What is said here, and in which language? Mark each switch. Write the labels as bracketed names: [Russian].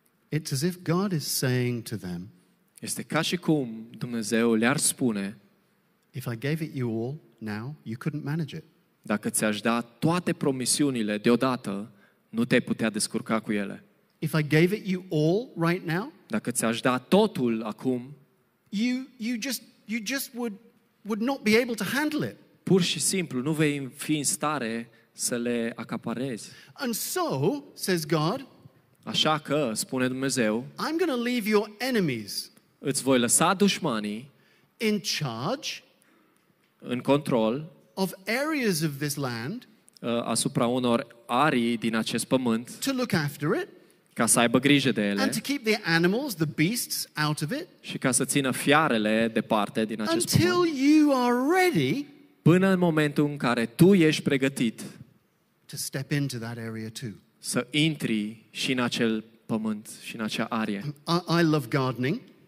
[English] It's as if God is saying to them, [Romanian] este ca și cum Dumnezeu le-ar spune, [English] if I gave it you all now, you couldn't manage it. [Romanian] Dacă ți-aș da toate promisiunile deodată, nu te-ai putea descurca cu ele. [English] If I gave it you all right now, [Romanian] dacă ți-aș da totul acum, [English] you just would not be able to handle it. [Romanian] Pur și simplu nu vei fi în stare să le acaparezi. [English] And so, says God, [Romanian] așa că, spune Dumnezeu, [English] I'm going to leave your enemies. [Romanian] Îți voi lăsa dușmanii [English] in charge. [Romanian] În control [English] of areas of this land, [Romanian] asupra unor arii din acest pământ, [English] to look after it, [Romanian] ca să aibă grijă de ele, [English] and to keep the animals, the beasts out of it, [Romanian] și ca să țină fiarele departe din acest pământ, [English] until you are ready, [Romanian] până în momentul în care tu ești pregătit [English] to step into that area too, [Romanian] să intri și în acel pământ și în acea arie. [English] I love gardening.